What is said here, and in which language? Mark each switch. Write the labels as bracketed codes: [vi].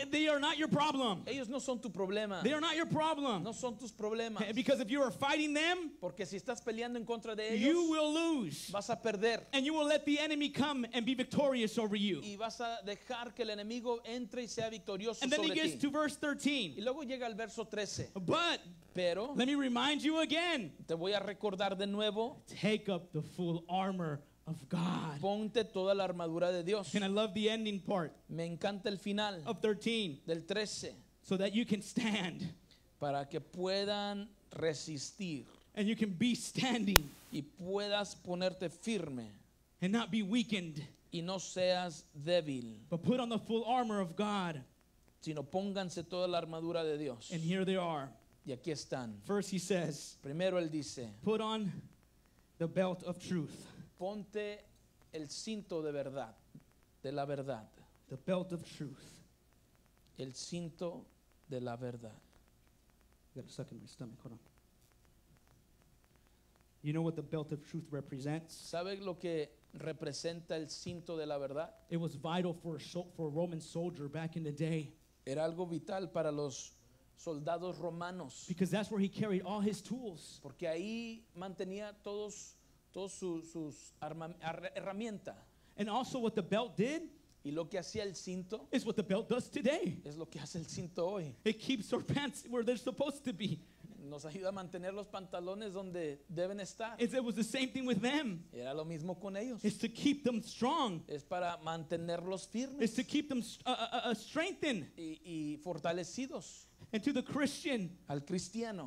[en] They are not your problem. [es] Ellos no son tu problema. [en] They are not your problem. [es] No son tus problemas. [en] Because if you are fighting them, [es] porque si estás peleando en contra de ellos, [en] you will lose. [es] Vas a perder. [en] And you will let the enemy come and be victorious over you. [es] Y vas a dejar que el enemigo entre y sea victorioso sobre ti. And [en] then he gets to verse 13. [es] Y luego llega al verso 13. [en] But [es] pero, [en] let me remind you again. [es] Te voy a recordar de nuevo. [en] Take up the full armor of God. [es] Ponte toda la armadura de Dios. [en] And I love the ending part. [es] Me encanta el final. [en] Of 13. [es] Del 13. [en] So that you can stand. [es] Para que puedan resistir. [en] And you can be standing. [es] Y puedas ponerte firme. [en] And not be weakened. [es] Y no seas débil. [en] But put on the full armor of God. [es] Sino pónganse toda la armadura de Dios. [en] And here they are. [es] Y aquí están. [en] First he says, [es] primero él dice, [en] put on the belt of truth. [es] Ponte el cinto de verdad, de la verdad. [en] The belt of truth. [es] El cinto de la verdad. [en] I got a second in my stomach, hold on. You know what the belt of truth represents? [es] ¿Sabe lo que representa el cinto de la verdad? [en] It was vital for a Roman soldier back in the day. [es] Era algo vital para los soldados romanos. [en] Because that's where he carried all his tools. [es] Porque ahí mantenía todos sus herramientas. [en] And also what the belt did. [es] Y lo que hacía el cinto. [en] Is what the belt does today. [es] Es lo que hace el cinto hoy. [en] It keeps our pants where they're supposed to be. [es] Nos ayuda a mantener los pantalones donde deben estar. [en] It was the same thing with them. [es] Era lo mismo con ellos. [en] It's to keep them strong. [es] Es para mantenerlos firmes. [en] It's to keep them strengthened. [es] Y fortalecidos. [en] And to the Christian, [es] al cristiano,